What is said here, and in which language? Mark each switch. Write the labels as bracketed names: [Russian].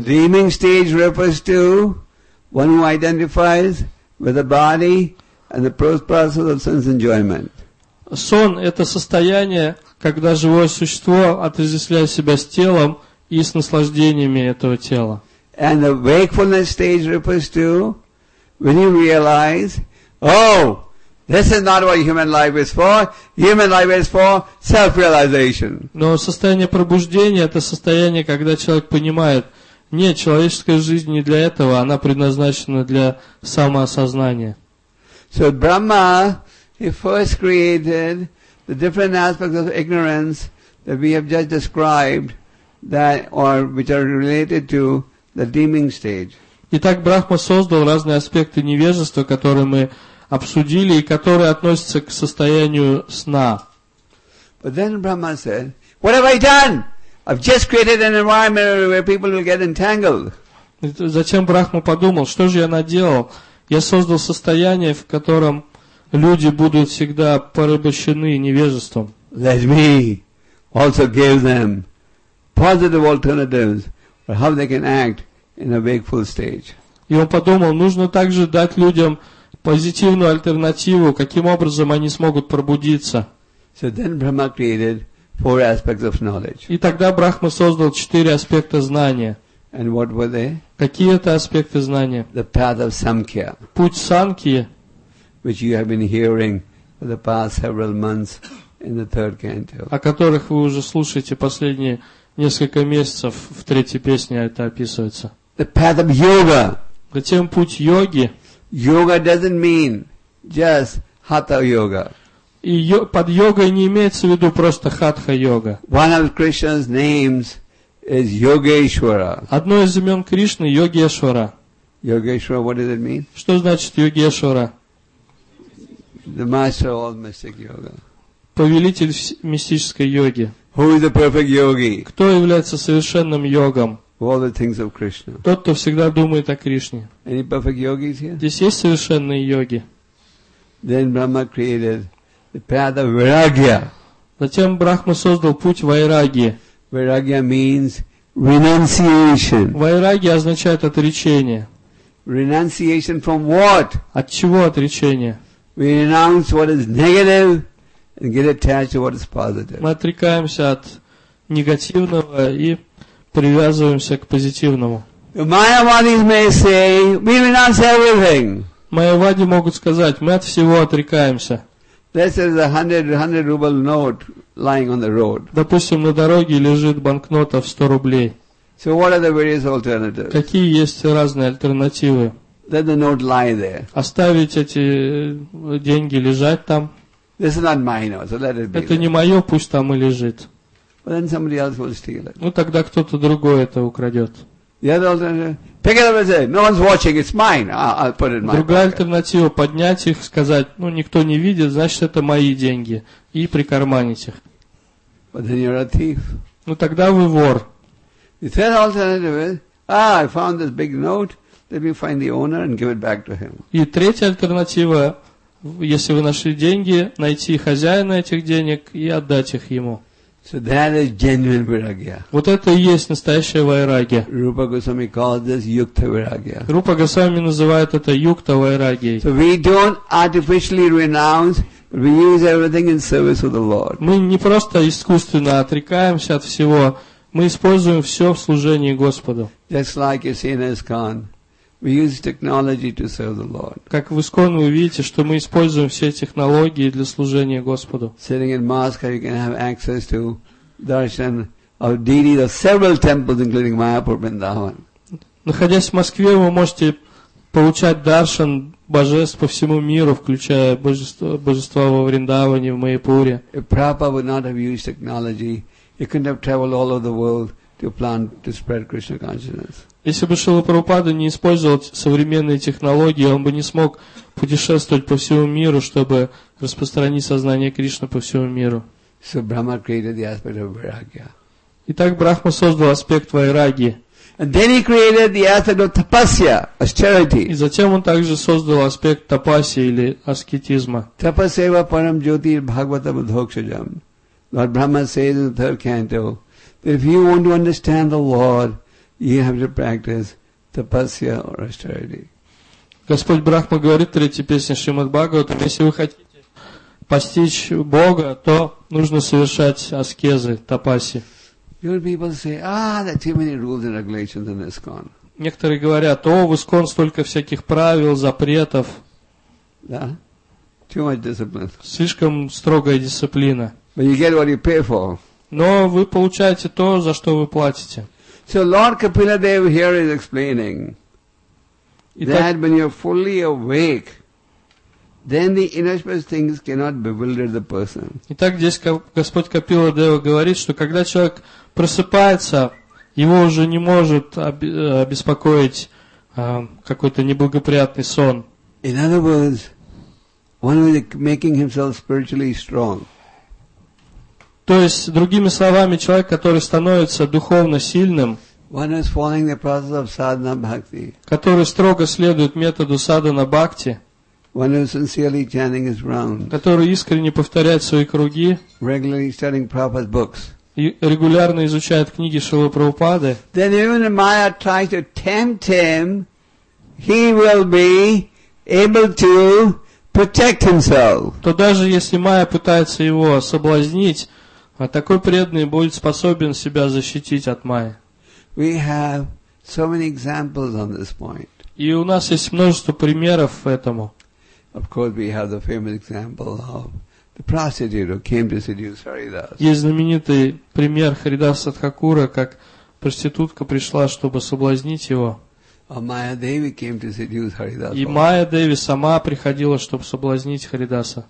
[English] The dreaming stage refers to one who identifies with the body and the process of sense enjoyment. [Russian] Сон это состояние, когда живое существо отождествляет себя с телом и с наслаждениями этого тела. [English] And the wakefulness stage refers to when you realize, oh, this is not what human life is for. Human life is for self-realization. [Russian] Но состояние пробуждения это состояние, когда человек понимает, нет, человеческая жизнь не для этого, она предназначена для самоосознания. [English] So Brahma, he first created the different aspects of ignorance that we have just described, that or which are related to the dreaming stage. [Russian] Итак, Брахма создал разные аспекты невежества, которые мы обсудили и которые относятся к состоянию сна. [English] But then Brahma said, "What have I done? I've just created an environment where people will get entangled." [Russian] Затем Брахма подумал, что же я наделал? Я создал состояние, в котором люди будут всегда порабощены невежеством. [English] Let me also give them positive alternatives for how they can act in a wakeful stage. [Russian] И он подумал, нужно также дать людям позитивную альтернативу, каким образом они смогут пробудиться. [English] So then Brahma created four aspects of knowledge. [Russian] И тогда Брахма создал четыре аспекта знания. [English] And what were they? [Russian] Какие это аспекты знания? [English] The path of Samkhya. [Russian] Путь Санки. [English] Which you have been hearing for the past several months in the third canto. [Russian] О которых вы уже слушаете последние несколько месяцев в третьей песне это описывается. [English] The path of yoga. [Russian] Затем путь йоги. [English] Yoga doesn't mean just hatha yoga. [Russian] И под йогой не имеется в виду просто хатха йога. [English] One of Krishna's names is Yogeshwara. [Russian] Одно из имен Кришны Йогешвара. [English] Yogeshwara, what does it mean? [Russian] Что значит Йогешвара? [English] The master of all mystic yoga. [Russian] Повелитель мистической йоги. [English] Who is the perfect yogi? [Russian] Кто является совершенным йогом? [English] All the things of Krishna. [Russian] Тот, кто всегда думает о Кришне. [English] Any perfect yogis here? [Russian] Здесь есть совершенные йоги. [English] Then Brahma created the path of Vairagya. [Russian] Затем Брахма создал путь Вайрагья. [English] Vairagya means renunciation. [Russian] Вайрагья означает отречение. [English] Renunciation from what? [Russian] От чего отречение? [English] We renounce what is negative and get attached to what is positive. [Russian] Мы отрекаемся от негативного и привязываемся к позитивному. [English] Mayavadis may say, we renounce everything. [Russian] Майявади могут сказать, мы от всего отрекаемся. [English] This is a 100 ruble note lying on the road. [Russian] Допустим, на дороге лежит банкнота в 100 рублей. [English] So what are the various alternatives? [Russian] Какие есть разные альтернативы? [English] Let the note lie there. [Russian] Оставить эти деньги лежать там. [English] This is not my note, so let it be. [Russian] Это не мое, пусть там и лежит. [English] But then somebody else will steal it. [Russian] Ну тогда кто-то другой это украдет. [English] The other alternative, pick it up and say, no one's watching, it's mine. I'll put it in my [Russian] Другая [English] pocket. [Russian] Альтернатива поднять их, сказать, ну никто не видит, значит это мои деньги и прикарманить их. [English] But then you're a thief. [Russian] Ну тогда вы вор. [English] The third alternative is, I found this big note. Let me find the owner and give it back to him. [Russian] И третья альтернатива, если вы нашли деньги, найти хозяина этих денег и отдать их ему. [English] So that is genuine vairagya. [Russian] Вот это и есть настоящая вайрагья. [English] Rupa Goswami calls this yukta vairagya. [Russian] Rupa Goswami называет это юкта вайрагья. [English] So we don't artificially renounce, but we use everything in service of the Lord. [Russian] Мы не просто искусственно отрекаемся от всего, мы используем все в служении Господу. [English] Just like you see in ISKCON. We use technology to serve the Lord. [Russian] Как в ИСККОН вы видите, что мы используем все технологии для служения Господу. [English] Sitting in Moscow, you can have access to darshan of deities of several temples, including Mayapur Vrindavan. [Russian] Находясь в Москве, вы можете получать даршан божеств по всему миру, включая божества во Вриндаване, в Майяпуре. [English] If Prabhupada would not have used technology, he couldn't have traveled all over the world to plan to spread Krishna consciousness. [Russian] Если бы Шрила Прабхупада не использовал современные технологии, он бы не смог путешествовать по всему миру, чтобы распространить сознание Кришны по всему миру. [English] So Brahma created the aspect of Vairagya. [Russian] Итак, Брахма создал аспект Вайраги. [English] And then he created the aspect of tapasya, austerity. [Russian] И затем он также создал аспект тапасии или аскетизма. [Sanskrit] Tapasya param jyoti bhagavatam dhokshajam. [English] Lord Brahma says in the third canto that if you want to understand the Lord, you have to practice tapasya or austerity. [Russian] Господь Брахма говорит в третьей песне Шримад-Бхагаватам, если вы хотите постичь Бога, то нужно совершать аскезы, тапаси. Некоторые говорят, о, в ИСКОН столько всяких правил, запретов. [English] Да? Too much discipline. [Russian] Слишком строгая дисциплина. [English] But you get what you pay for. [Russian] Но вы получаете то, за что вы платите. [English] So Lord Kapila Dev here is explaining that when you're fully awake, then the innermost things cannot bewilder the person. [Russian] Итак, здесь Господь Капила Дева говорит, что когда человек просыпается, его уже не может обеспокоить какой-то неблагоприятный сон. [English] In other words, one is making himself spiritually strong. [Russian] То есть, другими словами, человек, который становится духовно сильным, [English] one is following the process of sadhana bhakti, [Russian] который строго следует методу садхана бхакти, [English] one is sincerely chanting his rounds, [Russian] который искренне повторяет свои круги, [English] regularly studying Prabhupada's books, [Russian] и регулярно изучает книги Шрилы Прабхупады, [English] then even if Maya tries to tempt him, he will be able to protect himself. [Russian] То даже если Майя пытается его соблазнить, а такой преданный будет способен себя защитить от Майи. [English] We have so many examples on this point. [Russian] И у нас есть множество примеров этому. [English] Of course, we have the famous example of the prostitute who came to seduce Haridas. [Russian] Есть знаменитый пример Харидаса Тхакура, как проститутка пришла, чтобы соблазнить его. [English] Or Maya Devi came to seduce Haridas. [Russian] И Майя Деви сама приходила, чтобы соблазнить Харидаса.